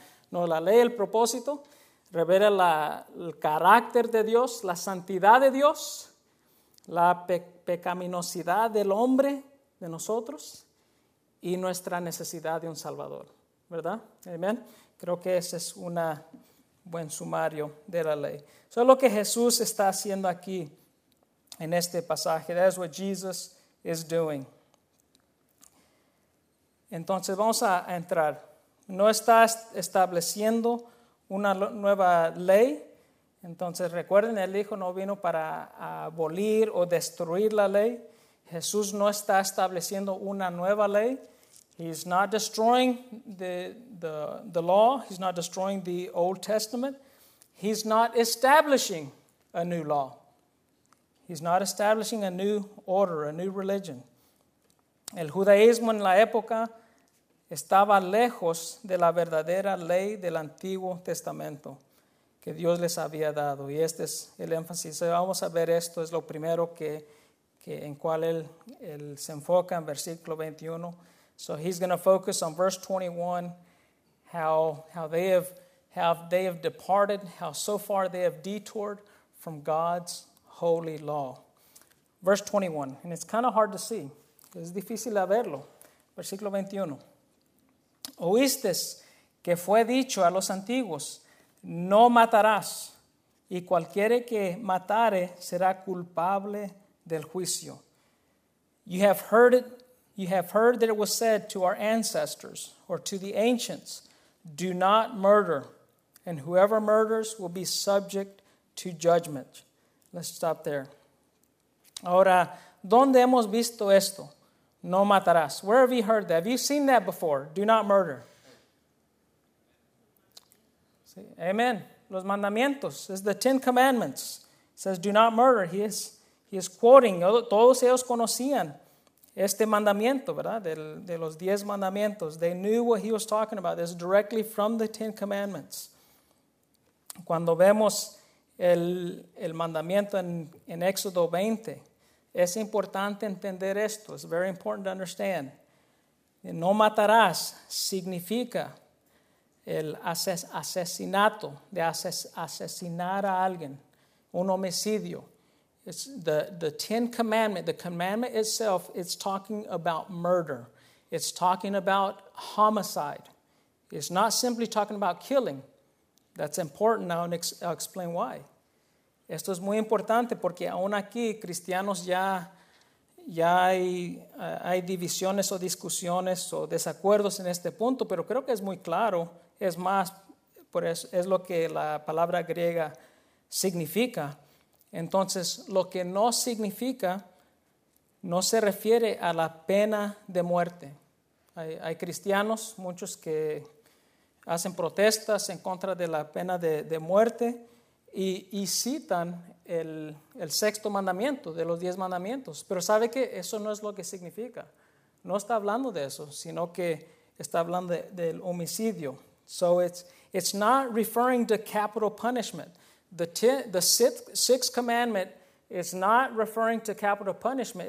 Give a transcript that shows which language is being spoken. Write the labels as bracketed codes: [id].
[es] La ley, el propósito, revela el carácter de Dios, la santidad de Dios, la pecaminosidad del hombre, de nosotros, y nuestra necesidad de un Salvador. ¿Verdad? Amén. Creo que ese es un buen sumario de la ley. Eso es lo que Jesús está haciendo aquí en este pasaje. [en] That is what Jesus is doing. [es] Entonces vamos a entrar. No está estableciendo una nueva ley. Entonces recuerden, el Hijo no vino para abolir o destruir la ley. Jesús no está estableciendo una nueva ley. [en] He's not destroying the law. He's not destroying the Old Testament. He's not establishing a new law. He's not establishing a new order, a new religion. [es] El judaísmo en la época estaba lejos de la verdadera ley del Antiguo Testamento que Dios les había dado. Y este es el énfasis. Vamos a ver esto. Es lo primero que en cual él se enfoca en versículo 21. [en] So he's going to focus on verse 21, how they have departed, how so far they have detoured from God's holy law. Verse 21, and it's kind of hard to see. [es] Es difícil a verlo. Versículo 21. Oísteis que fue dicho a los antiguos, no matarás, y cualquiera que matare será culpable del juicio. [en] You have heard that it was said to our ancestors, or to the ancients, do not murder, and whoever murders will be subject to judgment. Let's stop there. [es] Ahora, ¿dónde hemos visto esto? No matarás. [en] Where have you heard that? Have you seen that before? Do not murder. [es] Sí. Amen. Los mandamientos. [en] It's the Ten Commandments. It says, do not murder. He is quoting. [es] Todos ellos conocían este mandamiento, ¿verdad? De los 10 mandamientos. [en] They knew what he was talking about. It's directly from the Ten Commandments. [es] Cuando vemos el mandamiento en Éxodo 20, es importante entender esto. [en] It's very important to understand. [es] No matarás significa el asesinato, de asesinar a alguien, un homicidio. [en] It's the Ten Commandment. The commandment itself, it's talking about murder. It's talking about homicide. It's not simply talking about killing. That's important. Now I'll explain why. [es] Esto es muy importante porque aún aquí cristianos ya hay divisiones o discusiones o desacuerdos en este punto, pero creo que es muy claro. Es más, por eso es lo que la palabra griega significa. Entonces, lo que no significa no se refiere a la pena de muerte. Hay cristianos, muchos que hacen protestas en contra de la pena de muerte y citan el sexto mandamiento de los 10 mandamientos. Pero sabe que eso no es lo que significa. No está hablando de eso, sino que está hablando del homicidio. [en] So it's not referring to capital punishment. The sixth commandment is not referring to capital punishment.